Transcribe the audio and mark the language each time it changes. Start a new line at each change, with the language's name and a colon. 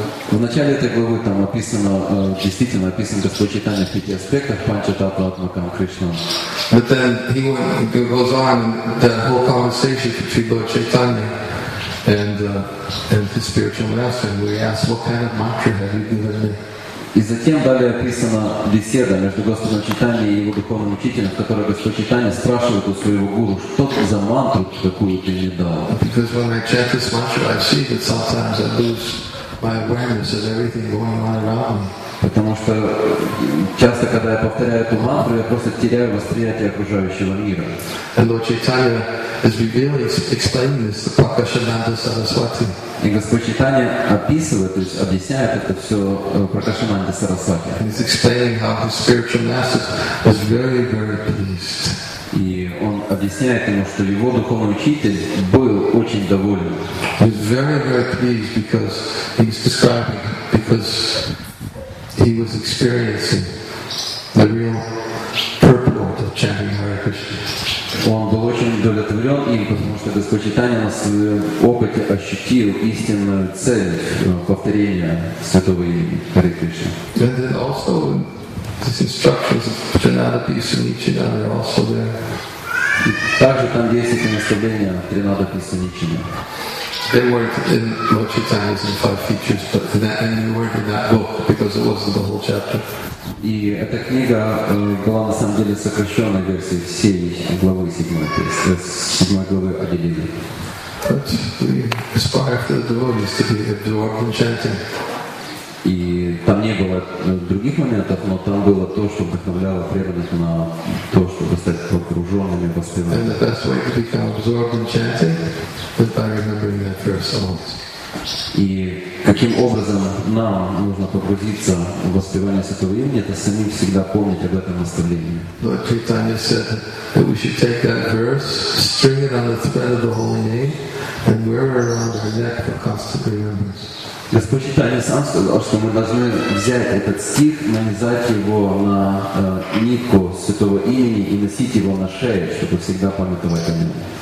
Russian: Вначале этой главы там описано, действительно описан Господь Чайтанья в пяти аспектах Панча Татва Атма Кама Кришна.
English: But then he went, goes on the whole conversation between Lord Chaitanya and his spiritual master, and we asked, what kind of mantra have you given me?
Russian: И затем далее описана беседа между Господом Чайтанья и его духовным учителем, в которой Господь Чайтанья спрашивает у своего гуру, что за мантру такую ты мне дал?
English: Because when I chant this mantra, I see that sometimes I lose my awareness of everything going on around me.
Russian: Потому что часто, когда я повторяю эту мантру, я просто теряю восприятие окружающего мира.
English: And Lord Chaitanya is revealing, explaining this to Prakashananda Saraswati.
Russian: И Господь Чайтанья описывает, то есть объясняет это все Пракашананде Сарасвати.
English: He's explaining how his spiritual master was very, very pleased.
Russian: И он объясняет ему, что его духовный учитель был очень доволен.
English: He's very, very pleased because he's describing because he was experiencing the real purport of chanting Hare Krishna.
Russian: Он был очень удовлетворен им, потому что Господь Чайтанья на своем опыте ощутил истинную цель повторения Святого имени Харе Кришна.
English: And then also these instructions of Trinadapi Sunichina are also there.
Russian: И также там есть эти наставления Trinadapi Sunichina.
English: They weren't in Lord Chaitanya's in Five Features, but they weren't in that book because it wasn't the whole chapter.
Russian: И эта книга была на самом деле сокращенной версией всей главы 7, то есть 7 главы Адилилы.
English: But we aspire for the devotees to be absorbed in chanting.
Russian: И там не было других моментов, но там было то, что вдохновляло преданных на то, чтобы стать погруженными в воспевание.
English: And the best way to become absorbed in chanting is by remembering that verse always.
Russian: И каким образом нам нужно погрузиться в воспевание Святого имени, это самим всегда помнить об этом наставлении.
English: Lord Chaitanya said that we should take that verse, string it on the thread of the holy name, and wear it around our neck for constant remembrance.
Russian: Господь Чайтанья сам сказал, что мы должны взять этот стих, нанизать его на нитку Святого имени и носить его на шее, чтобы всегда памятовать о нем.